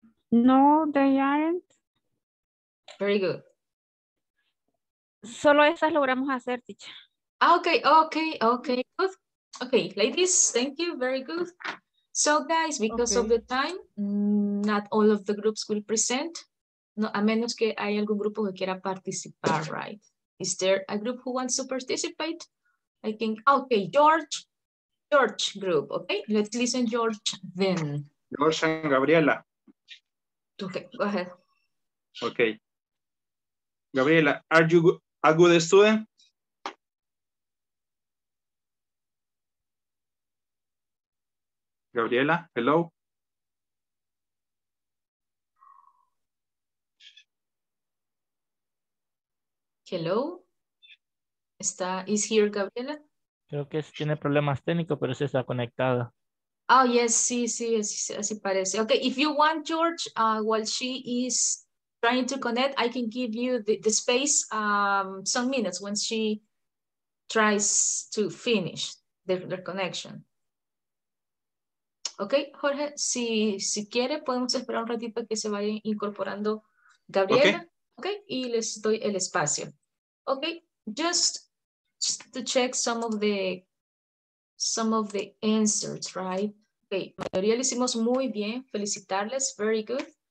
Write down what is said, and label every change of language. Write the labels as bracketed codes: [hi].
[en] No, they aren't. Very good. [es] Solo esas logramos hacer, teacher. [en] Okay, okay, okay, good. Okay, ladies, thank you, very good. So guys, because of the time, not all of the groups will present. [es] No, a menos que hay algún grupo que quiera participar, right? [en] Is there a group who wants to participate? I think, okay, George. George group, okay? Let's listen, George, then. George and Gabriela. Okay, go ahead. Okay. Gabriela, are you a good student? Gabriela, hello. Hello. Está, is here Gabriela? [es] Creo que es, tiene problemas técnicos, pero sí está conectada. Oh, yes, sí, sí, así, así parece. [en] Okay, if you want, George, while she is trying to connect, I can give you the space some minutes when she tries to finish the connection. [es] Ok, Jorge, si quiere, podemos esperar un ratito que se vaya incorporando Gabriela. Okay. [en] Ok, [es] y les doy el espacio. [en] Ok, just to check some of the answers, right? [es] Ok, la mayoría lo hicimos muy bien, felicitarles, [en] very good.